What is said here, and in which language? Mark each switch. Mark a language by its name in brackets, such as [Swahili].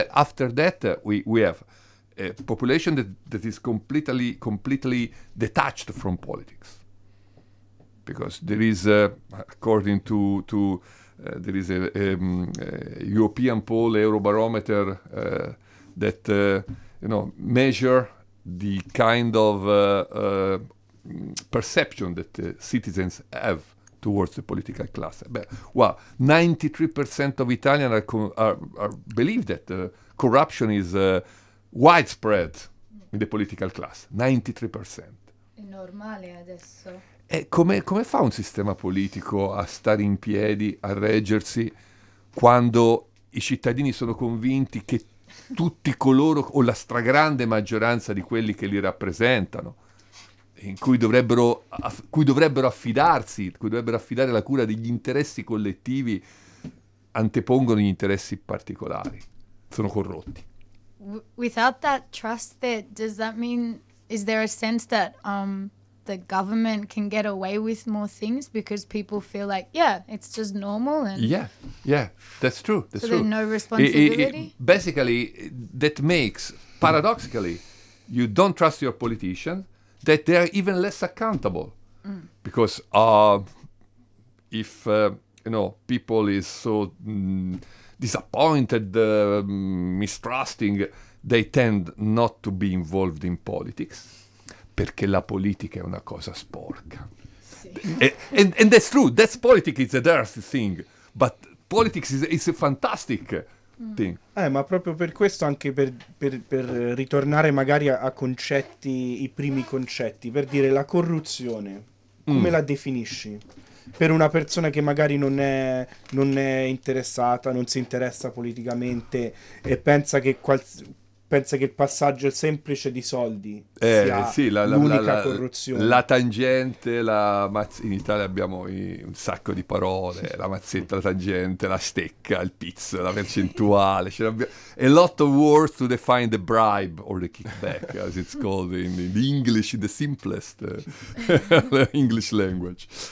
[English] But after that, we have a population that is completely detached from politics, because there is according to there is a European poll, Eurobarometer, that measure the kind of perception that citizens have towards the political class. Well, 93% of Italians are believe that corruption is widespread in the political class. 93%. [Italian] È normale adesso. E come fa un sistema politico a stare in piedi, a reggersi, quando i cittadini sono convinti che tutti coloro, o la stragrande maggioranza di quelli che li rappresentano, in cui dovrebbero, affidarsi, cui dovrebbero affidare la cura degli interessi collettivi, antepongono gli interessi particolari, sono corrotti. [English] Without that trust, that does that mean, is there a sense that the government can get away with more things because people feel like, yeah, it's just normal? And yeah, yeah, that's true. That's so there's no responsibility? Basically, that makes, paradoxically, you don't trust your politicians, that they are even less accountable. [Italian] Mm. Because if people is so disappointed, mistrusting, they tend not to be involved in politics, perché la politica è una cosa sporca. Sì. [English] And that's true, that's politics, it's a dirty thing, but politics is a fantastic thing. [Italian] Ma proprio per questo, anche per ritornare magari a concetti, i primi concetti, per dire la corruzione, come la definisci? Per una persona che magari non è interessata, non si interessa politicamente e pensa che il passaggio è semplice di soldi, l'unica corruzione. La tangente, in Italia abbiamo un sacco di parole, la mazzetta, la tangente, la stecca, il pizzo, la percentuale. [English] A lot of words to define the bribe or the kickback, as it's called in English, in the simplest English language.